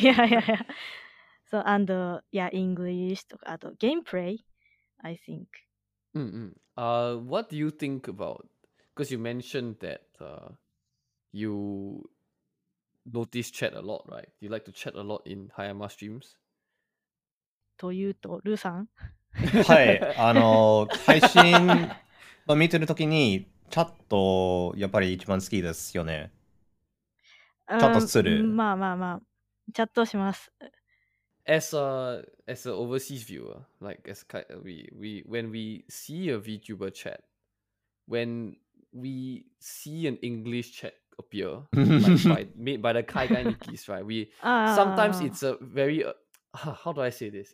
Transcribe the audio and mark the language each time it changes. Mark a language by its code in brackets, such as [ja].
[en] Yeah. So and English to gameplay, I think. What do you think about, because you mentioned that you notice chat a lot, right? You like to chat a lot in Hayama streams? [ja] というと、ルーさん? はい、配信を見てるときにチャットやっぱり一番好きですよね。チャットする。まあまあまあ、チャットします。 [en] As an overseas viewer, like as when we see a VTuber chat, when we see an English chat appear, made by the Kaigai Nikis, right? Sometimes it's very, how do I say this?